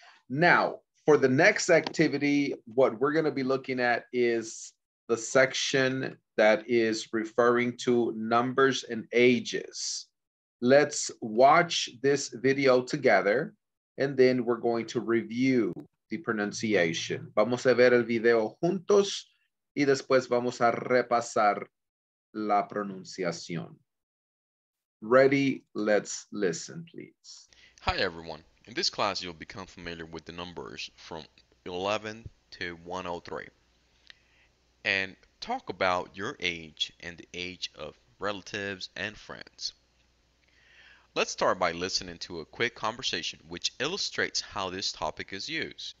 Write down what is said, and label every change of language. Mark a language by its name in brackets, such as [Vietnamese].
[English] Now, for the next activity, what we're going to be looking at is the section that is referring to numbers and ages. Let's watch this video together, and then we're going to review the pronunciation. [Spanish] Vamos a ver el video juntos, y después vamos a repasar la pronunciación. [English] Ready? Let's listen, please. Hi, everyone. In this class, you'll become familiar with the numbers from 11 to 103 and talk about your age and the age of relatives and friends. Let's start by listening to a quick conversation which illustrates how this topic is used.